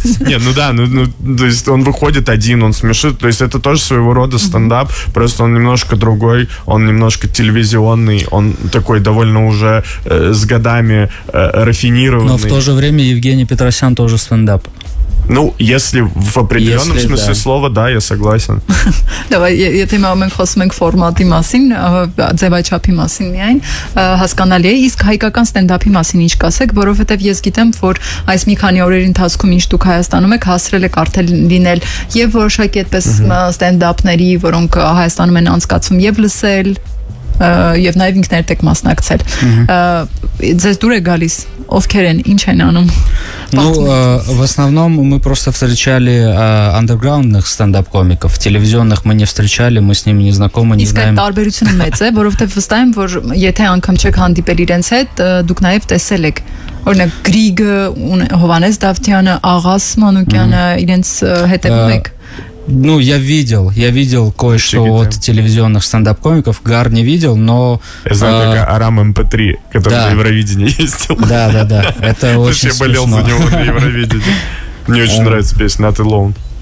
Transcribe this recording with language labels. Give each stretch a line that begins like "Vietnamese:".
Russian: Нет, ну да, ну, то есть он выходит один, он смешит. То есть это тоже своего рода стендап, просто он немножко другой, он немножко телевизионный, он такой довольно уже с годами рафинированный. Но в то же время Евгений Петросян тоже стендап. Ну, если в определенном смысле слова, да, я согласен. Давай, если мы говорим о формате массин,
Armenian: ձևաչափի մասին միայն, հասկանալի է, իսկ հայկական ստենդափի մասին ինչ կասեք, որովհետև ես գիտեմ, որ այս մի քանի օրերի ընթացքում ինչ դուք Հայաստանում եք հասրել եք արդեն լինել եւ որոշակի այդպես ստենդափների, որոնք Հայաստանում են անցկացվում եւ լսել. եւ նաեւ ինքներդ եք մասնակցել։ Ձեզ դուր է գալիս, ովքեր են, ինչ են անում։
Russian: Ну, в основном мы просто встречали андерграундных стендап-комиков. Телевизионных мы не встречали, мы с ними не знакомы, не знаем.
Armenian: Իսկ տարբերությունը մեծ է, որովհետեւ վստահ եմ, որ եթե անգամ չեք հանդիպել իրենց հետ, դուք նաև տեսել եք, օրինակ Գրիգը, Հովանես Դավթյանը, Աղաս Մանուկյանը, իրենց հետևում եք։
Russian: Ну, я видел кое-что от телевизионных стендап-комиков, Гар не видел, но... Я знаю, только Арам МП3, который на Евровидении ездил. Да, это очень смешно. Я болел за него на Евровидении. Мне очень нравится песня «Not Alone».